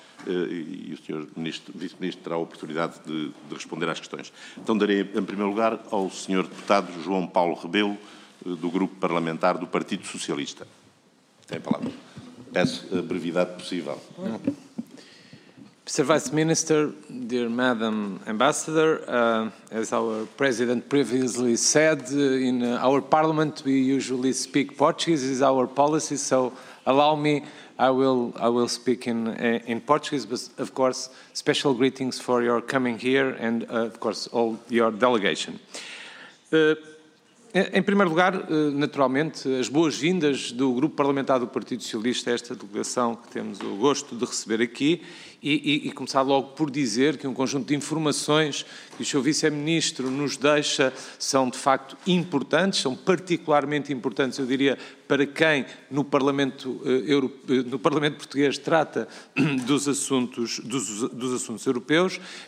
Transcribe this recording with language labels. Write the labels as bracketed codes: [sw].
[pt] E o Sr. Vice-Ministro terá a oportunidade de responder às questões. Então darei em primeiro lugar ao Sr. Deputado João Paulo Rebelo, do Grupo Parlamentar do Partido Socialista. Tem a palavra. Peço a brevidade possível. [en] Mr. Vice-Minister, dear Madam Ambassador, as our President previously said, in our Parliament we usually speak Portuguese, this is our policy, so allow me, I will speak in Portuguese, but of course, special greetings for your coming here and, of course, all your delegation. [pt] Em primeiro lugar, naturalmente, as boas-vindas do Grupo Parlamentar do Partido Socialista a esta delegação que temos o gosto de receber aqui e começar logo por dizer que um conjunto de informações que o Sr. Vice-Ministro nos deixa são, de facto, importantes, são particularmente importantes, eu diria, para quem no Parlamento Português trata dos assuntos europeus.